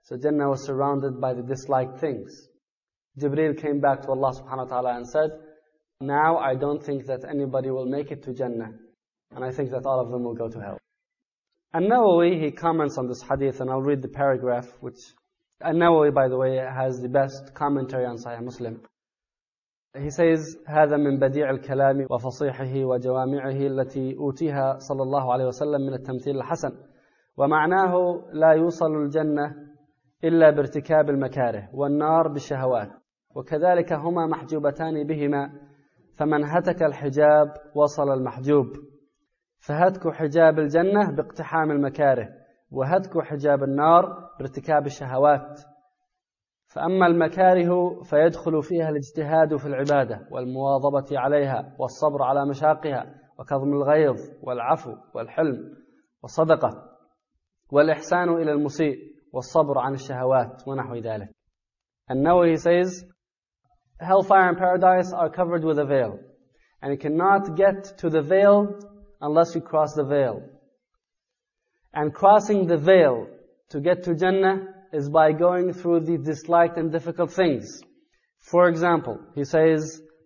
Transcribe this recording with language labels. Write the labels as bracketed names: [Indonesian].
[English] So Jannah was surrounded by the disliked things. Jibreel came back to Allah subhanahu wa ta'ala and said, now I don't think that anybody will make it to Jannah. And I think that all of them will go to hell. And Nawawi, he comments on this hadith, and I'll read the paragraph, which Nawawi, by the way, has the best commentary on Sahih Muslim. He says, [Arabic] هذا من بديع الكلام وفصيحه وجوامعه التي أوتيها صلى الله عليه وسلم من التمثيل الحسن ومعناه لا يوصل الجنة إلا بارتكاب المكاره والنار بالشهوات وكذلك هما محجوبتان بهما فمن هتك الحجاب وصل المحجوب فهتك حجاب الجنة باقتحام المكاره وهتك حجاب النار بارتكاب الشهوات فأما المكاره فيدخل فيها الاجتهاد في العبادة والمواظبة عليها والصبر على مشاقها وكظم الغيظ والعفو والحلم والصدقة والإحسان إلى المسيء والصبر عن الشهوات ونحو ذلك. [English] And now he says, hellfire and paradise are covered with a veil, and you cannot get to the veil unless you cross the veil. And crossing the veil to get to Jannah is by going through the disliked and difficult things. For example, he says,